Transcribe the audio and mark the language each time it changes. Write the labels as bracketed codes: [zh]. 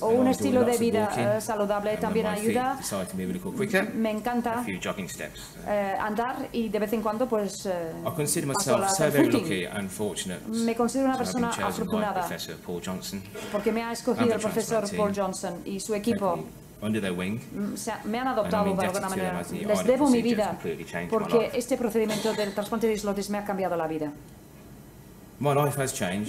[es] O un estilo de vida saludable también ayuda. Me encanta [en] a few jogging steps. [es] Andar y de vez en cuando pues [en] I consider myself so very lucky and fortunate. [es] Me considero una persona afortunada porque me ha escogido el profesor Paul Johnson y su equipo. [en] Under their wing. [es] Me han adoptado de alguna manera. Les debo mi vida porque este procedimiento del trasplante de islotes me ha cambiado la vida. [en] My life has changed.